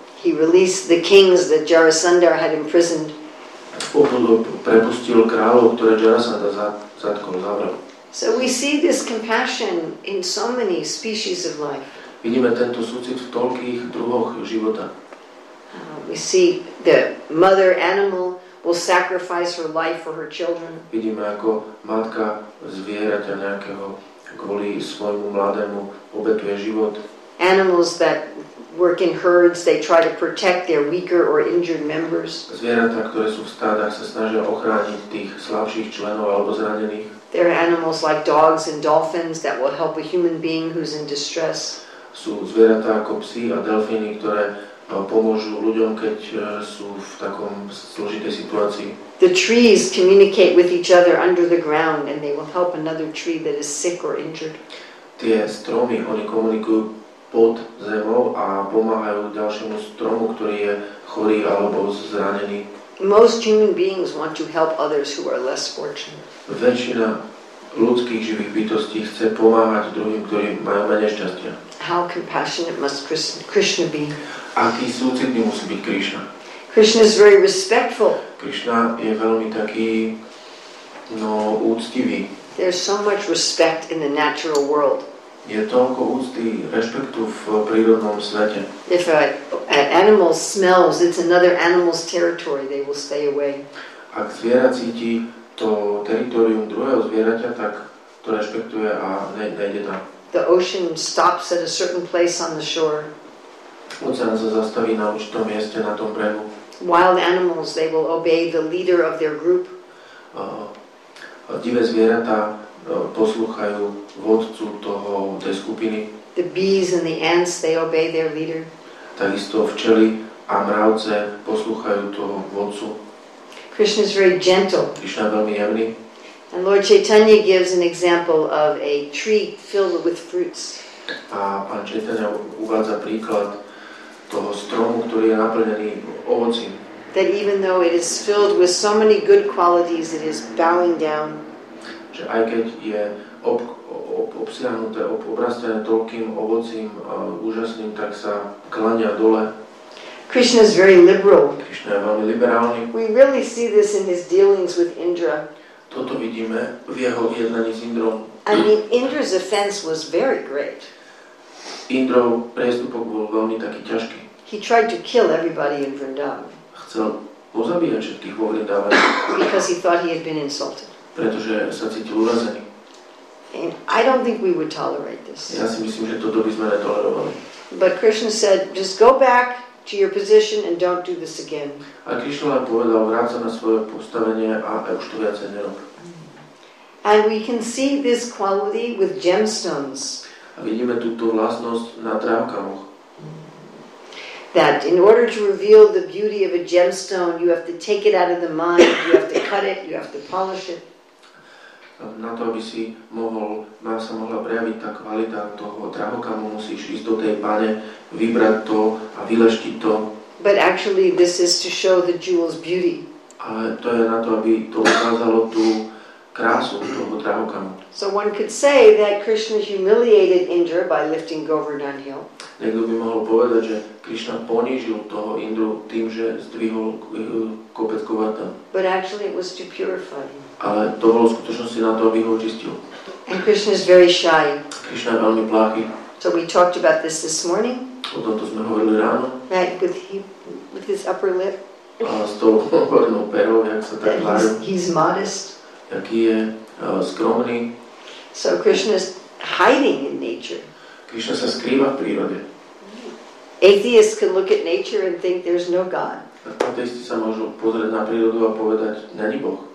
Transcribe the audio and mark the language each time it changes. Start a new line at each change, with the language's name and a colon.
English: He released the kings that Jarasandha had imprisoned.
Slovak: Prepustil kráľov, ktoré Jarasandha zatkol, zavrel.
English: So we see this compassion in so many species of life.
Slovak: Vidíme tento súcit v toľkých druhoch života.
English: We see the mother animal will sacrifice her life for her children.
Slovak: Vidíme, ako matka zvieraťa nejakého kvôli svojmu mladému obetuje život.
English: Animals that work in herds, they try to protect their weaker or injured members.
Slovak: Zvieratá, ktoré sú v stádach, sa snažia ochrániť tých slabších členov alebo zranených.
English: There are animals like dogs and dolphins that will help a human being who's in distress.
Slovak: Sú zvieratá ako psi a delfíny, ktoré pomôžu ľuďom, keď sú v takom zložitej situácii.
English: The trees communicate with each other under the ground and they will help another tree that is sick or injured.
Slovak: Tie stromy, oni komunikujú pod zemou a pomáhajú ďalšiemu stromu, ktorý je chorý alebo zranený.
English: Most human beings want to help others who are less fortunate.
Slovak: Väčšina ľudských živých bytostí chce pomáhať druhým, ktorí majú menej šťastia.
English: How compassionate must Krishna be?
Slovak: Aký súcitný musí byť Krishna?
English: Krishna is very respectful.
Slovak: Krishna je veľmi taký úctivý.
English: There's so much respect in the natural world.
Slovak: Je toľko úcty, rešpektu v prírodnom svete.
English: If an animal smells, it's another animal's territory, they will stay away.
Slovak: Ak zviera cíti to teritorium druhého zvieraťa, tak to rešpektuje a nejde tam.
English: The ocean stops at a certain place on the shore.
Slovak: Oceán sa zastaví na určitom mieste na tom brehu.
English: Wild animals, they will obey the leader of their group.
Slovak: Divé zvieratá poslúchajú vodcu toho tej skupiny.
English: The bees and the ants, they obey their leader.
Slovak: Takisto včely a mravce poslúchajú toho vodcu.
English: Krishna is very gentle.
Slovak: Krishna je veľmi jemný.
English: And Lord Chaitanya gives an example of a tree filled with fruits.
Slovak: A pán Chaitanya uvádza príklad toho stromu, ktorý je naplnený ovocím.
English: That even though it is filled with so many good qualities, it is bowing down.
Slovak: Že aj keď je obsiahnuté, obrastené toľkým ovocím úžasným, tak sa klania dole.
English: Krishna is very liberal.
Slovak: Krishna je veľmi liberálny.
English: We really see this in his dealings with Indra.
Slovak: Toto vidíme v jeho jednaní s Indrom.
English: I mean, Indra's offense was very great.
Slovak: Indrov priestupok bol veľmi taký ťažký.
English: He tried to kill everybody in Vrindavan.
Slovak: Chcel pozabíjať všetkých vo Vrindavane.
English: Because he thought he had been insulted.
Slovak: Pretože sa cítil urazený.
English: And I don't think we would tolerate this.
Slovak: Ja si myslím, že toto by sme netolerovali.
English: But Krishna said, just go back to your position and don't do this again.
Slovak: A Krishna povedal, vráť sa na svoje postavenie a už to viacej nerob.
English: And we can see this quality with gemstones.
Slovak: A vidíme túto vlastnosť na drahokamoch.
English: That in order to reveal the beauty of a gemstone, you have to take it out of the mind, you have to cut it, you have to polish it.
Slovak: Na to, aby si mohol, nám sa mohla prejaviť tá kvalita toho drahokamu, musíš ísť do tej pane, vybrať to a vyleštiť to.
English: But actually this is to show the jewel's beauty.
Slovak: Ale to je na to, aby to ukázalo tú krásu toho drahokamu.
English: So one could say that Krishna humiliated Indra by lifting Govardhan Hill.
Slovak: Niekto by mohol povedať, že Krishna ponížil toho Indru tým, že zdvihol kopec Govardhan.
English: But actually it was to purify him.
Slovak: Ale to bolo v skutočnosti na to, aby ho očistil.
English: And Krishna is very shy.
Slovak: Krishna je veľmi pláchy.
English: So we talked about this this morning.
Slovak: O tomto sme hovorili ráno.
English: That with his upper lip.
Slovak: A s tou hornou perou, jak sa tak hlájú.
English: He's modest.
Slovak: Jaký je skromný.
English: So Krishna is hiding in nature.
Slovak: Krishna sa skrýva v prírode.
English: Atheists can look at nature and think there's no God.
Slovak: Ateisti sa môžu pozrieť na prírodu a povedať, není Boh.